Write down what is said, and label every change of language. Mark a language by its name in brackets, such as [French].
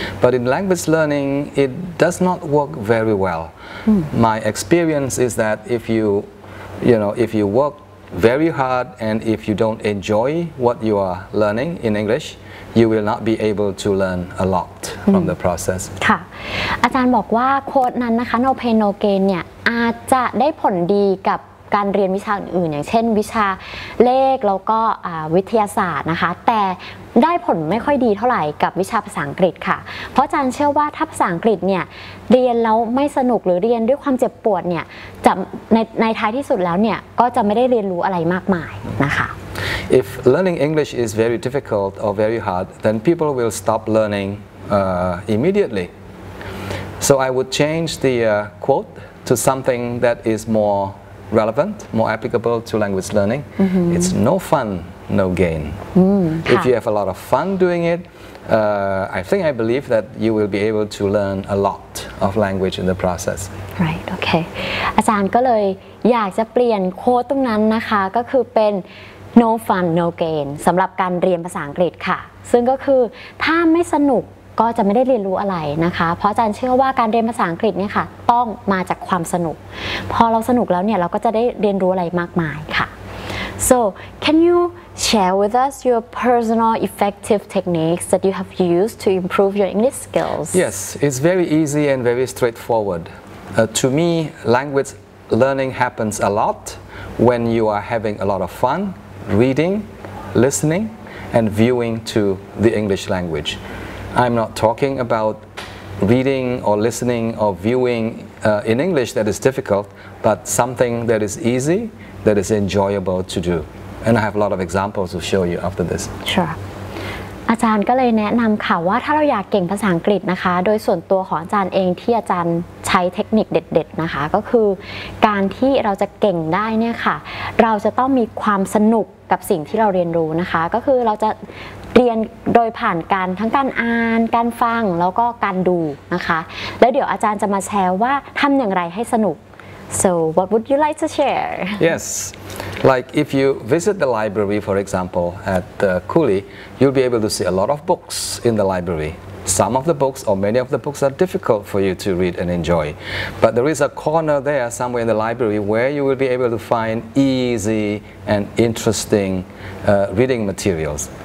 [English] But in language learning, it does not work very well. My experience is that if you, you know, if you work very hard and if you don't enjoy what you are learning in English, you will not be able to learn a lot from the process. [Thai] ค่ะ อาจารย์บอกว่าโค้ดนั้นนะคะ [English] no pain no gain [Thai] เนี่ยอาจจะได้ผลดีกับการเรียนวิชาอื่นๆอย่างเช่นวิชาเลขแล้วก็วิทยาศาสตร์นะคะแต่ได้ผลไม่ค่อยดีเท่าไหร่กับวิชาภาษาอังกฤษค่ะเพราะอาจารย์เชื่อว่าถ้าภาษาอังกฤษเนี่ยเรียนแล้วไม่สนุกหรือเรียนด้วยความเจ็บปวดเนี่ยจะในท้ายที่สุดแล้วเนี่ยก็จะไม่ได้เรียนรู้อะไรมากมายนะคะ [English] If learning English is very difficult or very hard then people will stop learning immediately so I would change the quote to something that is morerelevant, more applicable to language learning. Mm-hmm. It's no fun, no gain. Mm-hmm. If you have a lot of fun doing it, I believe that you will be able to learn a lot of language in the process. Right, okay. [Thai] อาจารย์ก็เลยอยากจะเปลี่ยนโค้ดตรงนั้นนะคะก็คือเป็น [English] no fun, no gain [Thai] สำหรับการเรียนภาษาอังกฤษค่ะซึ่งก็คือถ้าไม่สนุกก็จะไม่ได้เรียนรู้อะไรนะคะเพราะอาจารย์เชื่อว่าการเรียนภาษาอังกฤษเนี่ยค่ะต้องมาจากความสนุกพอเราสนุกแล้วเนี่ยเราก็จะได้เรียนรู้อะไรมากมายค่ะ [English] So can you share with us your personal effective techniques that you have used to improve your English skills Yes it's very easy and very straightforward to me language learning happens a lot when you are having a lot of fun reading listening and viewing to the English languageI'm not talking about reading or listening or viewing in English that is difficult, but something that is easy, that is enjoyable to do. And I have a lot of examples to show you after this. Sure. [Thai] อาจารย์ก็เลยแนะนำค่ะว่าถ้าเราอยากเก่งภาษาอังกฤษนะคะโดยส่วนตัวของอาจารย์เองที่อาจารย์ใช้เทคนิคเด็ดๆนะคะก็คือการที่เราจะเก่งได้เนี่ยค่ะเราจะต้องมีความสนุกกับสิ่งที่เราเรียนรู้นะคะก็คือเราจะเรียนโดยผ่านการทั้งการอ่านการฟังแล้วก็การดูนะคะแล้วเดี๋ยวอาจารย์จะมาแชร์ว่าทำอย่างไรให้สนุก [English] So what would you like to share Yes like if you visit the library for example at the Cooley you'll be able to see a lot of books in the library some of the books or many of the books are difficult for you to read and enjoy. But there is a corner there somewhere in the library where you will be able to find easy and interesting reading materials.